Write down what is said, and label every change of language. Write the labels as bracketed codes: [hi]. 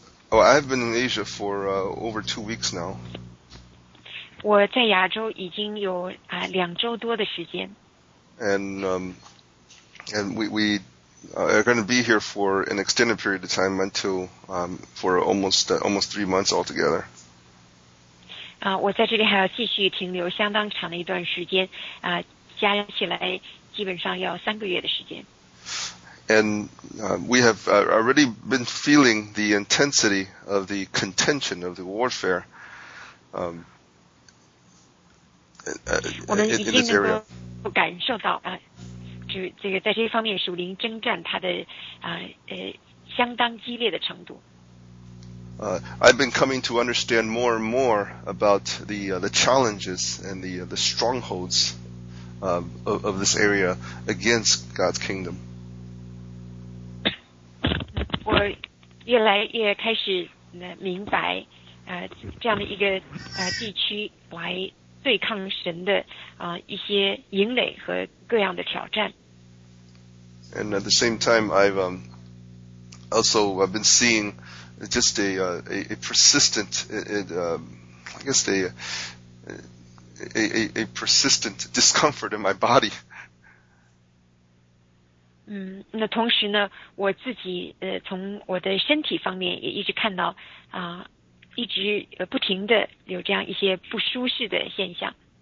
[en] I've been in Asia for over 2 weeks now. [zh] 我在亚洲已经有两周多的时间。 [en] And we are going to be here for an extended period of time for almost 3 months altogether. [zh] 我在这里还要继续停留相当长的一段时间，加起来基本上要三个月的时间。 [en] And we have already been feeling the intensity of the contention of the warfare. In this area. [zh] 感受到这个在这方面属灵征战它的相当激烈的程度。 [en] I've been coming to understand more and more about the challenges and the strongholds of this area against God's kingdom. [zh] 我越来越开始明白这样的一个地区来对抗神的一些营垒和各样的挑战。 [en] And at the same time, I've been seeing just a persistent, I guess a persistent discomfort in my body. [zh] 那同时呢，我自己从我的身体方面也一直看到一直不停的有这样一些不舒适的现象。